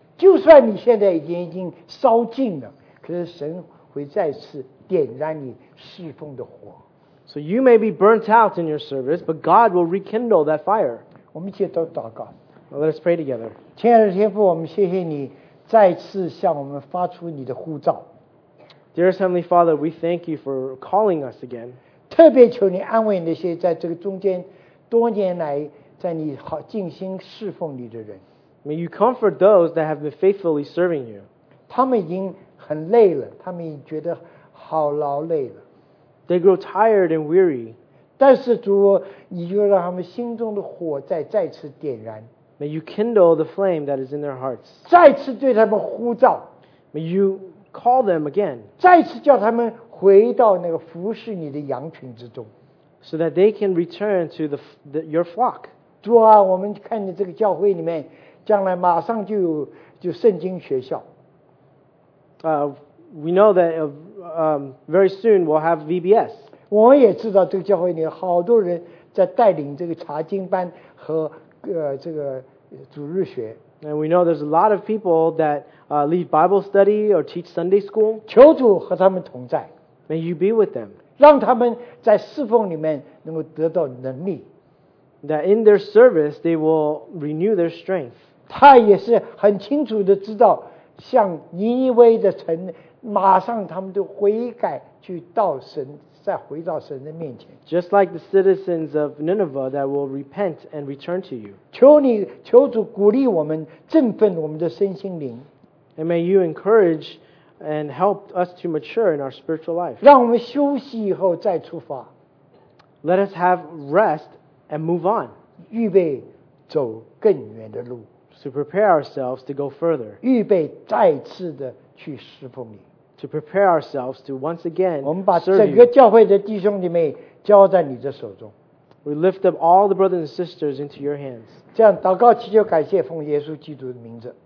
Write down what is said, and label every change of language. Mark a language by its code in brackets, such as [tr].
[zh] 就算你现在已经烧尽了，可是神会再次点燃你侍奉的火。 [en] So you may be burnt out in your service, but God will rekindle that fire. [zh] 我们一起都祷告。 [en] Let us pray together. [zh] 亲爱的天父，我们谢谢你再次向我们发出你的呼召。 [en] Dearest Heavenly Father, we thank you for calling us again. [zh] 特别求你安慰那些在这个中间多年来在你好尽心侍奉你的人。 [en] May you comfort those that have been faithfully serving you. [zh] 他们已经很累了，他们已经觉得好劳累了。 [en] They grow tired and weary. [zh] 但是主，你就让他们心中的火再次点燃。 [en] May you kindle the flame that is in their hearts. [zh] 再次对他们呼召。 [en] May you call them again. [zh] 再次叫他们回到那个服侍你的羊群之中。 [en] So that they can return to your flock. [zh] 主啊，我们看见这个教会里面，将来马上就有圣经学校。 [en] We know that very soon we'll have VBS. [zh] 我也知道这个教会里面好多人在带领这个查经班和这个主日学。 [en] And we know there's a lot of people that lead Bible study or teach Sunday school. [zh] 求主和他们同在。 [en] May you be with them. [zh] 让他们在侍奉里面能够得到能力。 [en] That in their service they will renew their strength. [zh] 他也是很清楚的知道，像尼尼微的城，马上他们都悔改去到神。再回到神的面前。 [en] Just like the citizens of Nineveh that will repent and return to you. [zh] 求主鼓励我们，振奋我们的身心灵。 [en] And may you encourage and help us to mature in our spiritual life. [zh] 让我们休息以后再出发。 [en] Let us have rest and move on. [zh] 预备走更远的路。 [en] To prepare ourselves to go further. [zh] 预备再次的去侍奉你。 [en] To prepare ourselves to once again serve you. [zh] 我们把整个教会的弟兄姐妹交在你的手中。 [en] We lift up all the brothers and sisters into your hands. [zh] 这样祷告祈求感谢奉耶稣基督的名字。